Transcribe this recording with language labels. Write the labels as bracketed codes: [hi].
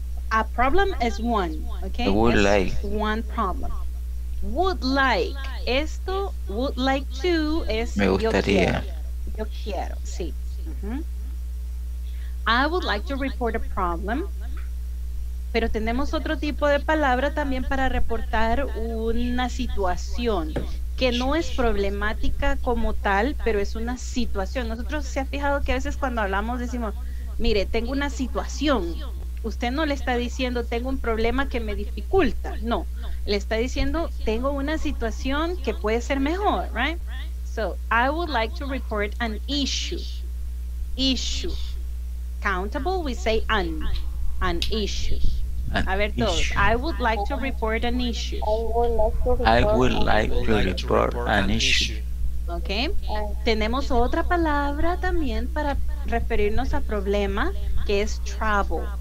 [en] A problem is one, okay? I would like. One problem. Would like. Esto, would like to, es [es] me gustaría. Yo quiero, sí. [en] Mm-hmm. I would like to report a problem. [es] Pero tenemos otro tipo de palabra también para reportar una situación que no es problemática como tal, pero es una situación. Nosotros, ¿se ha fijado que a veces cuando hablamos decimos, mire, tengo una situación? Usted no le está diciendo, tengo un problema que me dificulta. No, le está diciendo, tengo una situación que puede ser mejor, right? [en] So I would like to report an issue. Countable, we say an issue. [es] A ver todos, [en] I would like to report an issue. I would like to report an issue. Okay. [es] Tenemos otra palabra también para referirnos a problema, que es trouble.